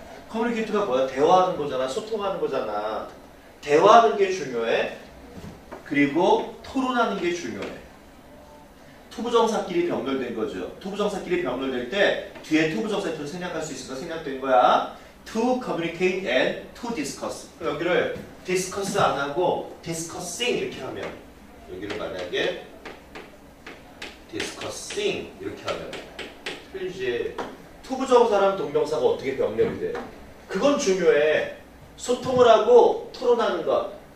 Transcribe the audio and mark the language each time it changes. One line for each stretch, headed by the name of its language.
Korean: communicate가 뭐야? 대화하는 거잖아. 소통하는 거잖아. 대화하는 게 중요해. 그리고 토론하는 게 중요해. 투부정사끼리 병렬된 거죠. 투부정사끼리 병렬될 때 뒤에 투부정사에 좀 생략할 수 있을까 생략된 거야.
English: To communicate and to discuss.
Korean: 여기를 discuss 안 하고 discussing 이렇게 하면 여기를 만약에 discussing 이렇게 하면 틀리지. 투부정사랑 동명사가 어떻게 병렬이 돼? 그건 중요해. 소통을 하고 토론하는 것.